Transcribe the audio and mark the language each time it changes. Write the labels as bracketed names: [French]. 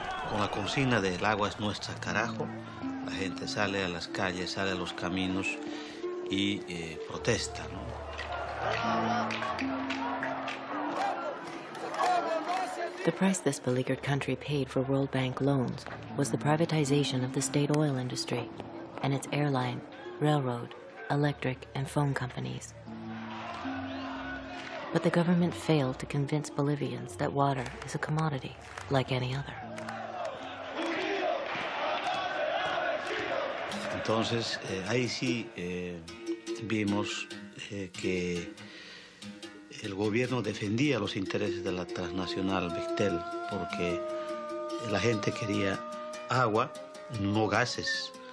[Spanish] Con la consigna de el agua es nuestra, carajo, la gente sale a las calles, sale a los caminos y protesta, ¿no? [English] The price this beleaguered country paid for World Bank loans was the privatization of the state oil industry and its airline, railroad, electric and phone companies. But the government failed to convince Bolivians that water is a commodity like any other. [Spanish] Entonces, ahí sí vimos que el gobierno defendía los intereses de la transnacional Bechtel, porque la gente quería agua, no gases.